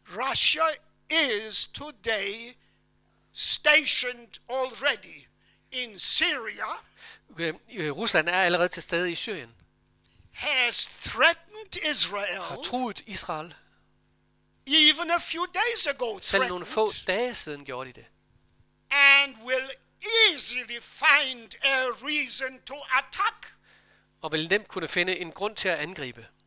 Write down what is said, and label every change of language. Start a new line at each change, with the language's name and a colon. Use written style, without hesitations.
English: Russia is today stationed already in Syria.
Danish: Rusland er allerede til stede i Syrien.
English: Has threatened Israel.
Danish: Har truet Israel.
English: Even a few days ago,
Danish: selv nogle få dage siden gjorde de det.
English: And will easily find a reason to attack.
Danish: Og vil nemt kunne finde en grund til at angribe.